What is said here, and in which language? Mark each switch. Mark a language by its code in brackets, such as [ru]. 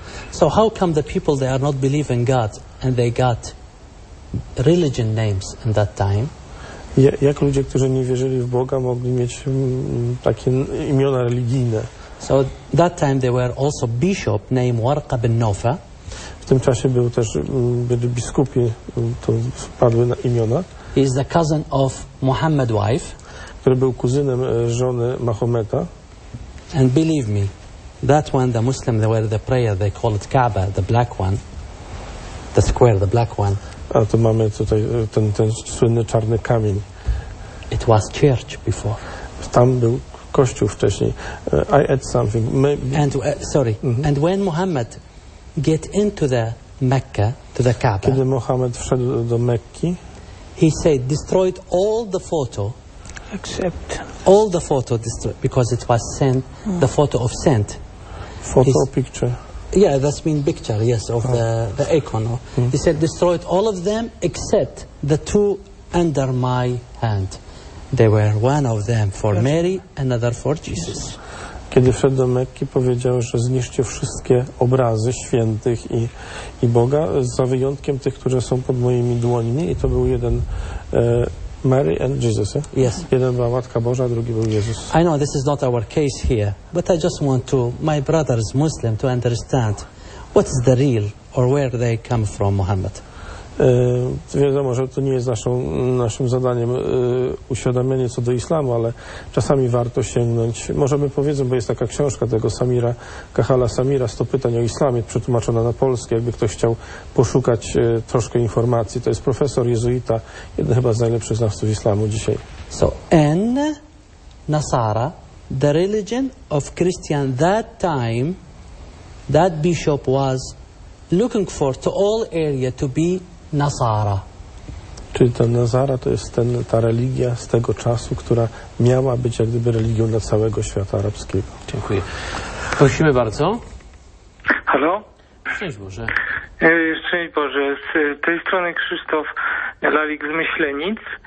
[en] So how come the people they are not believing God and they got religion names in that time? [pl] Jak ludzie, którzy nie wierzyli w Boga, mogli mieć takie imiona religijne? [en] So that time they were also bishop named Warqa bin Nawfal. [pl] W tym czasie był też byli biskupi, to padły na imiona. [en] He is the cousin of Muhammad's wife. [pl] Który był kuzynem żony Mahometa. [en] And believe me, that one, the Muslim, they were the prayer, they call it Kaaba, the black one, the square, the black one. [pl] A to mamy tutaj ten słynny czarny kamień. [en] It was church before. [pl] Tam był kościół wcześniej. [en] I add something. And when Muhammad get into the Mecca, to the Kaaba. [pl] Kiedy Muhammad wszedł do Mekki. [en] He said, destroyed all the photo. Except. All the photo destroyed, because it was sent, the photo of saint. Photo picture. Yeah, that's mean picture, yes, of the icon. He said, destroyed all of them except the two under my hand. They were one of them for Mary, another for Jesus. [pl] Kiedy wszedł do Mekki, powiedział, że zniszczy wszystkie obrazy świętych i Boga, za wyjątkiem tych, które są pod moimi dłońmi. I to był jeden Mary and Jesus. [en] Yeah? Yes. [pl] Jeden była Matka Boża, drugi był Jezus. [en] I know this is not our case here, but I just want to my brothers Muslim to understand what is the real or where they come from Muhammad. [pl] Wiadomo, że to nie jest naszym zadaniem uświadomienie co do islamu, ale czasami warto sięgnąć. Może my powiedzą, bo jest taka książka tego Samira, Kahala Samira, 100 pytań o islamie, przetłumaczona na polskie, jakby ktoś chciał poszukać troszkę informacji. To jest profesor jezuita, jeden chyba z najlepszych znawców islamu dzisiaj. [en] So, N. Nasara, the religion of Christian that time, that bishop was looking for to all area to be Nasara. [pl] Czyli ta Nazara to jest ta religia z tego czasu, która miała być jak gdyby religią dla całego świata arabskiego. Dziękuję. Prosimy bardzo. Halo? Szczęść Boże. Szczęść Boże. Z tej strony Krzysztof Lalik z Myślenic.